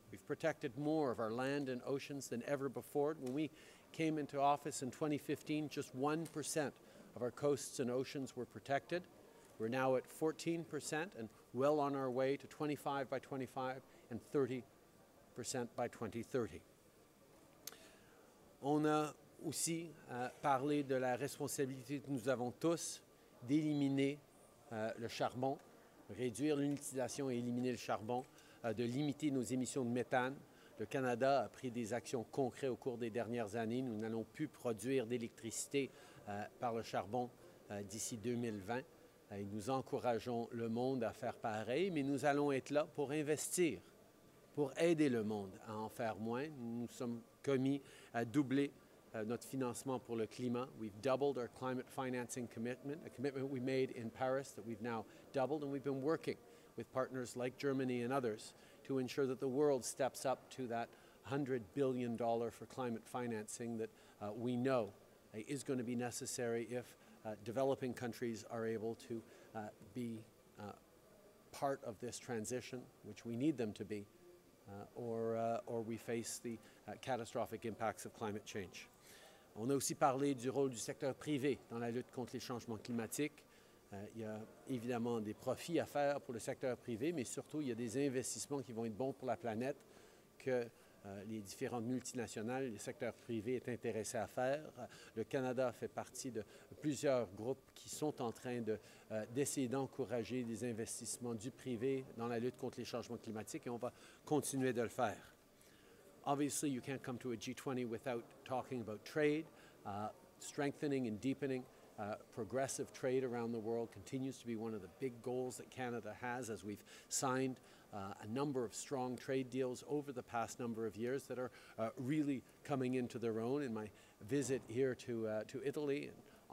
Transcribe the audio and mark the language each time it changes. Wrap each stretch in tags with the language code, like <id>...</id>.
<en>We've protected more of our land and oceans than ever before. When we came into office in 2015, just 1% of our coasts and oceans were protected. We're now at 14% and well on our way to 25 by 25 and 30% by 2030.</en> <fr>On a aussi parlé de la responsabilité que nous avons tous d'éliminer le charbon, réduire l'inutilisation et éliminer le charbon, de limiter nos émissions de méthane. Le Canada a pris des actions concrètes au cours des dernières années. Nous n'allons plus produire d'électricité par le charbon d'ici 2020. Et nous encourageons le monde à faire pareil, mais nous allons être là pour investir, pour aider le monde à en faire moins. Nous sommes commis à doubler notre financement pour le climat.</fr> <en>We've doubled our climate financing commitment, a commitment we made in Paris that we've now doubled, and we've been working with partners like Germany and others to ensure that the world steps up to that $100 billion for climate financing that we know is going to be necessary if developing countries are able to be part of this transition, which we need them to be, or we face the catastrophic impacts of climate change.</en> <fr>On a aussi parlé du rôle du secteur privé dans la lutte contre les changements climatiques. Il y a évidemment des profits à faire pour le secteur privé, mais surtout, il y a des investissements qui vont être bons pour la planète que les différentes multinationales, le secteur privé est intéressé à faire. Le Canada fait partie de plusieurs groupes qui sont en train d'essayer d'encourager des investissements du privé dans la lutte contre les changements climatiques et on va continuer de le faire.</fr> <en>Obviously, you can't come to a G20 without talking about trade. Strengthening and deepening progressive trade around the world continues to be one of the big goals that Canada has, as we've signed a number of strong trade deals over the past number of years that are really coming into their own. In my visit here to Italy, and</en>